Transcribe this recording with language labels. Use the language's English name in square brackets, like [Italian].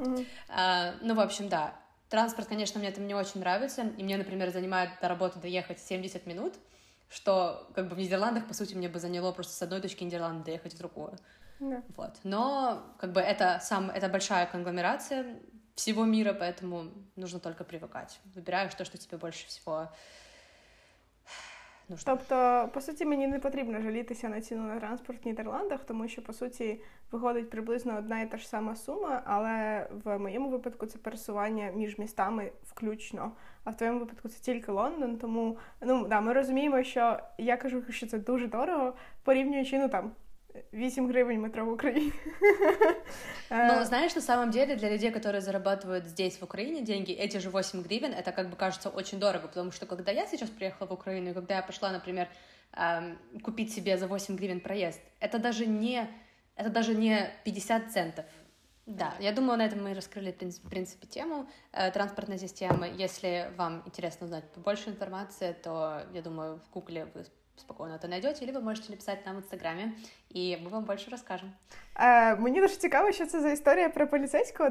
[Russian] Ну, в общем, да, транспорт, конечно, мне там не очень нравится, и мне, например, занимает до работы доехать 70 минут, что как бы в Нидерландах, по сути, мне бы заняло просто с одной точки Нидерланды доехать в другую. Да. Вот. Но как бы это большая конгломерация всего мира, поэтому нужно только привыкать. Выбираешь то, что тебе больше всего нужно. [Ukrainian] Тобто, по суті, мені не потрібно жалітися на ціну на транспорт в Нідерландах, тому що, по суті, виходить приблизно одна і та ж сама сума, але в моєму випадку це пересування між містами включно, а в твоєму випадку це тільки Лондон, тому, ну, да, ми розуміємо, що, я кажу, що це дуже дорого, порівнюючи, ну, там, 8 гривень метро в Україні. [Russian] Ну, знаешь, на самом деле, для людей, которые зарабатывают здесь, в Украине, деньги, эти же 8 гривен, это как бы кажется очень дорого, потому что когда я сейчас приехала в Украину, и когда я пошла, например, купить себе за 8 гривен проезд, это даже не 50 центов. Да, я думаю, на этом мы раскрыли, в принципе, тему транспортной системы. Если вам интересно узнать побольше информации, то, я думаю, в Гугле вы спокойно это найдете, или вы можете написать нам в Инстаграме, и мы вам больше расскажем. [Ukrainian] Мені дуже цікаво, що це за історія про поліцейського.